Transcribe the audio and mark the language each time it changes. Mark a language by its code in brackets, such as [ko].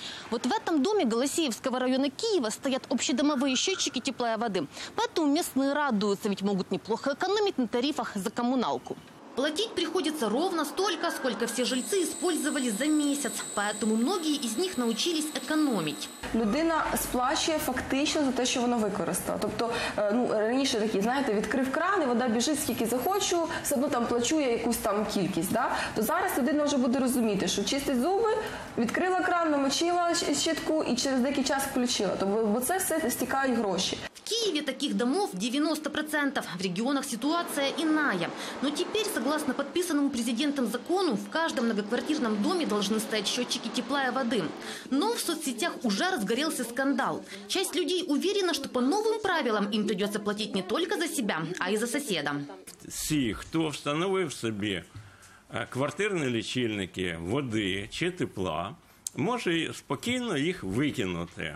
[ru] Вот в этом доме Голосеевского района Киева стоят общедомовые счетчики тепла и воды. Поэтому местные радуются, ведь могут неплохо экономить на тарифах за коммуналку. Платить приходится ровно столько, сколько все жильцы использовали за месяц. Поэтому многие из них научились экономить. [uk] Людина сплачує фактично за те, що вона використала. Тобто, ну, раніше такі, знаєте, відкрив кран, і вода біжить скільки захочу, все одно там плачу я якусь там кількість, да? То зараз людина вже буде розуміти, що чистить зуби, відкрила кран, намочила щітку і через деякий час включила. Бо це все стікають гроші. В Києві таких домов 90%, в регіонах ситуація іная. [ru] Но теперь, согласно подписанному президентом закону, в каждом многоквартирном доме должны стоять счетчики тепла и воды. Но в соцсетях уже разгорелся скандал. Часть людей уверена, что по новым правилам им придется платить не только за себя, а и за соседа. Все, кто установил себе квартирные лечильники воды или тепла, может спокойно их выкинуть.